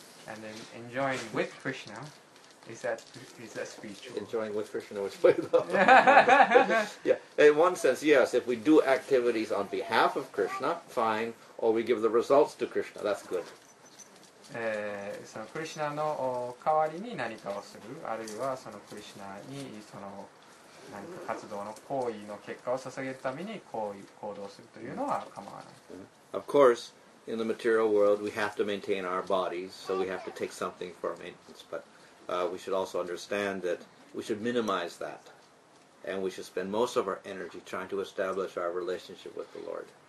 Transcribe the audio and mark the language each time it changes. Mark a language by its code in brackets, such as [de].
[en] and then enjoying with Krishna Is that spiritual? Enjoying with Krishna, which way though? Yeah, in one sense, yes. If we do activities on behalf of Krishna, fine. Or we give the results to Krishna, that's good. [ja] そのクリシナの代わりに何かをする、あるいはそのクリシナにその何か活動の行為の結果を捧げるために行動するというのは構わない。 [en] Of course, in the material world, we have to maintain our bodies, so we have to take something for maintenance, but we should also understand that we should minimize that and we should spend most of our energy trying to establish our relationship with the Lord.